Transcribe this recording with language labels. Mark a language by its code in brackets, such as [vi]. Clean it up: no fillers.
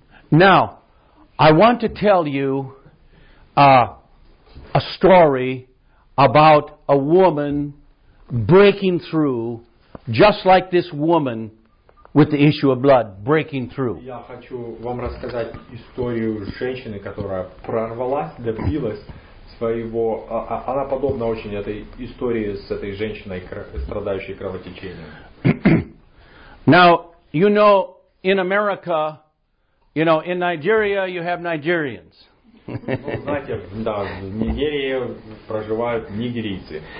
[en] Now, I want to tell you a story about a woman breaking through, just like this woman with the issue of blood, breaking through. [ru] Я хочу вам рассказать историю женщины, которая прорвалась, добилась своего, она подобна очень этой истории с этой женщиной, страдающей кровотечением. [en] Now, you know, in America, you know, in Nigeria, you have Nigerians. [ru] Знаете, да, в Нигерии проживают нигерийцы.